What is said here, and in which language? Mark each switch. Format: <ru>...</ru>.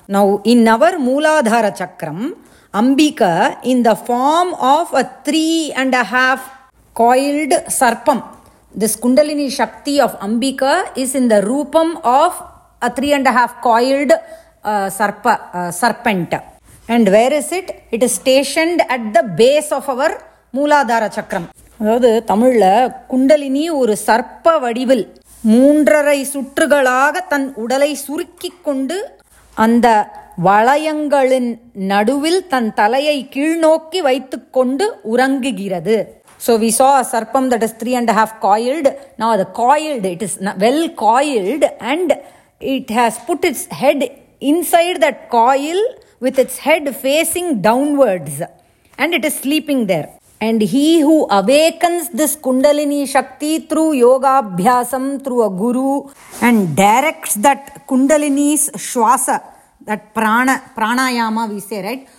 <en>Now, in our Mooladhara Chakram, Ambika, in the form of a 3.5 coiled sarpam, this Kundalini Shakti of Ambika is in the rupam of a 3.5 coiled serpent. And where is it? It is stationed at the base of our Mooladhara Chakram.</en> <ta>அதாவது தமிழில் குண்டலினி ஒரு சர்ப்ப வடிவில் 3.5 சுற்றுகளாக தன் உடலை சுருக்கி கொண்டு அந்த வளையங்களின் நடுவில் தன் தலையை கீழ்நோக்கி வைத்து கொண்டு உறங்குகிறது.</ta> <en>So we saw a sarpam that is 3.5 coiled. Now the coiled, it is well coiled and it has put its head inside that coil with its head facing downwards and it is sleeping there. And he who awakens this kundalini shakti through yoga abhyasam, through a guru, and directs that kundalini's shwasa, that pranayama we say, right?</en>